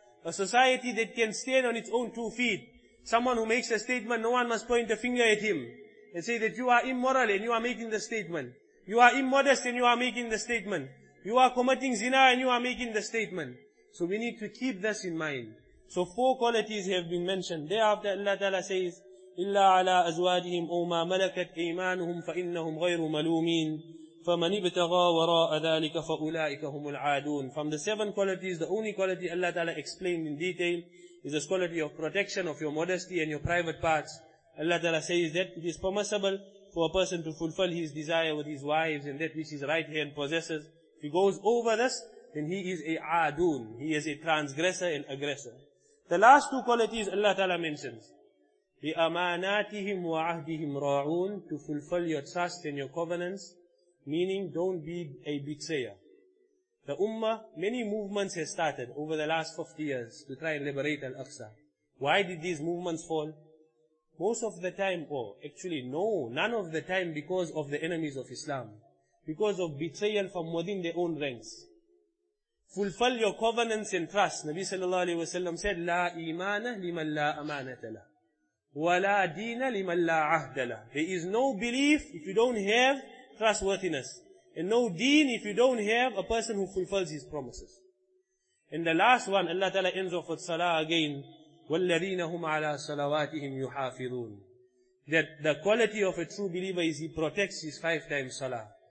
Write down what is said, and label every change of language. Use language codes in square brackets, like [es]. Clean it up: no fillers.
[en] A society that can stand on its own two feet. Someone who makes a statement, no one must point a finger at him and say that you are immoral and you are making the statement. You are immodest and you are making the statement. You are committing zina and you are making the statement. So we need to keep this in mind. So four qualities have been mentioned. Thereafter Allah Ta'ala says, [ar] إِلَّا عَلَىٰ أَزْوَاجِهِمْ أَوْ مَا مَلَكَتْ أَيْمَانُهُمْ فَإِنَّهُمْ غَيْرُ مَلُومِينَ فَمَنِ ابْتَغَى وَرَاءَ ذَلِكَ فَأُولَٰئِكَ هُمُ الْعَادُونَ. [en] From the seven qualities, the only quality Allah Ta'ala explained in detail is this quality of protection of your modesty and your private parts. Allah Ta'ala says that it is permissible for a person to fulfill his desire with his wives and that which his right hand possesses. If he goes over this, then he is a adun. He is a transgressor and aggressor. The last two qualities Allah Ta'ala mentions, [ar] بِأَمَانَاتِهِمْ وَعَهْدِهِمْ رَاعُونَ, [en] to fulfill your trust and your covenants. Meaning, don't be a betrayer. The Ummah, many movements have started over the last 50 years to try and liberate Al-Aqsa. Why did these movements fall? Most of the time, none of the time because of the enemies of Islam. Because of betrayal from within their own ranks. Fulfill your covenants and trust. [ar] Nabi sallallahu alayhi wa sallam said, لا إيمان لمن لا أمانة له ولا دين لمن لا عهد له. [en] There is no belief if you don't have trustworthiness. And no deen if you don't have a person who fulfills his promises. And the last one, Allah Ta'ala ends off with salah again. [ar] وَالَّذِينَ هُمْ عَلَىٰ صَلَوَاتِهِمْ يُحَافِظُونَ. [en] That the quality of a true believer is he protects his five times salah.